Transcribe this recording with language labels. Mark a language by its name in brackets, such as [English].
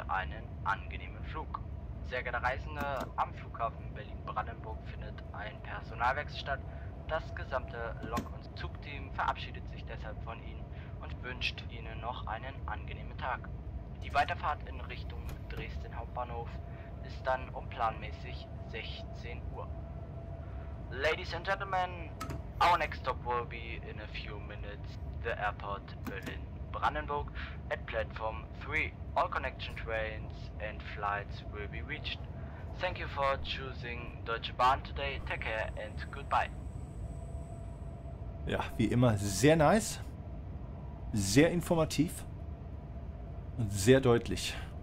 [German] einen angenehmen Flug. Sehr geehrte Reisende, am Flughafen Berlin-Brandenburg findet ein Personalwechsel statt. Das gesamte Lok- und Zugteam verabschiedet sich deshalb von Ihnen und wünscht Ihnen noch einen angenehmen Tag. Die Weiterfahrt in Richtung Dresden Hauptbahnhof ist dann um planmäßig 16 Uhr. [English] Ladies and Gentlemen, our next stop will be in a few minutes the airport Berlin-Brandenburg at Platform 3. All connection trains and flights will be reached. Thank you for choosing Deutsche Bahn today. Take care and goodbye. [German] Ja, wie immer sehr nice, sehr informativ und sehr deutlich.